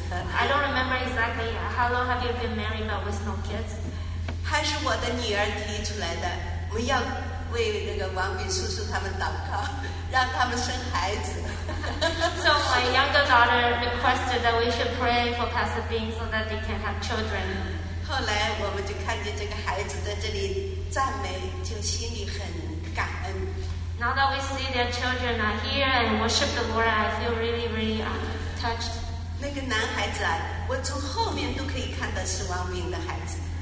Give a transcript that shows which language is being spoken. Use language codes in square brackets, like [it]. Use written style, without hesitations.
[en] I don't remember exactly how long have you been married but with no kids. [zh] 还是我的女儿提出来的，我们要为那个王炳叔叔他们祷告，让他们生孩子。 [en] So my younger daughter requested that we should pray for Pastor Bing so that they can have children. [zh] 后来我们就看见这个孩子在这里赞美，就心里很感恩。 [en] Now that we see their children are here and worship the Lord, I feel really, really touched. [zh] 那个男孩子啊，我从后面都可以看到是王炳的孩子。